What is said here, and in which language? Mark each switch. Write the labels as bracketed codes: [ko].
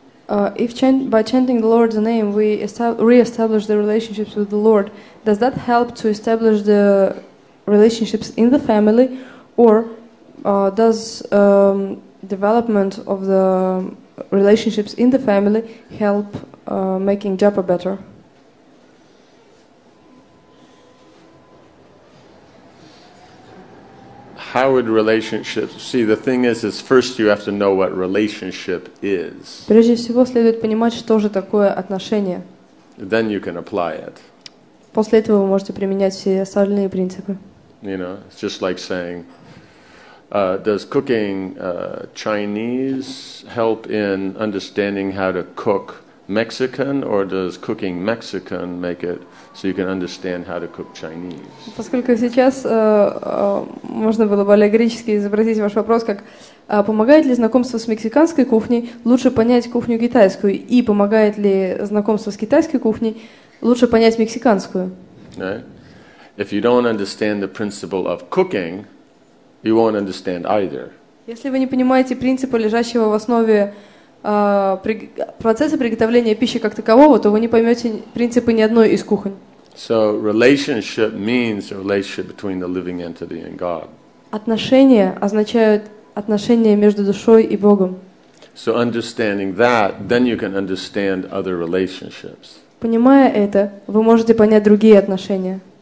[en] If by chanting the Lord's name we re-establish the relationships with the Lord, does that help to establish the relationships in the family, or does development of the relationships in the family help making japa better? How would relationships see? The thing is first you have to know what relationship is. [ru] Прежде всего следует понимать, что же такое отношение. [en] Then you can apply it. [ru] После этого вы можете применять все остальные принципы. [en] You know, it's just like saying, does cooking Chinese help in understanding how to cook Mexican, or does cooking Mexican make it so you can understand how to cook Chinese? [ru] Поскольку сейчас можно было более греческий изобразить ваш вопрос как помогает ли знакомство с мексиканской кухней лучше понять кухню китайскую и помогает ли знакомство с китайской кухней лучше понять мексиканскую? [en] If you don't understand the principle of cooking, you won't understand either. [ru] Если вы не понимаете принципа, лежащего в основе процесса приготовления пищи как такового, то вы не поймете принципы ни одной из кухонь. [en] So relationship means a relationship between the living entity and God. [ru] Отношения означают отношения между душой и Богом. [en] So understanding that, then you can understand other relationships. [ru] Понимая это, вы можете понять другие отношения.